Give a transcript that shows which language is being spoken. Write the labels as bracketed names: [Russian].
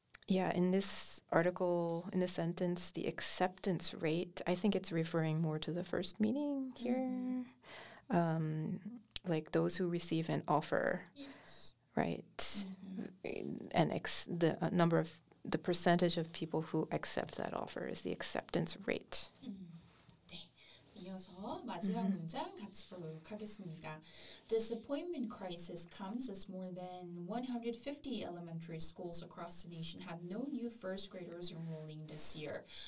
[English] Yeah, in this article, in the sentence, the acceptance rate, I think it's referring more to the first meaning here. Mm-hmm. Like those who receive an offer, yes. Right? Mm-hmm. And the percentage of people who accept that offer is the acceptance rate. [Korean] Mm-hmm. 이어서 마지막 mm-hmm. 문장 같이 보도록 하겠습니다. [English] Disappointment crisis comes as more than 150 elementary schools across the nation have no new first graders enrolling this year.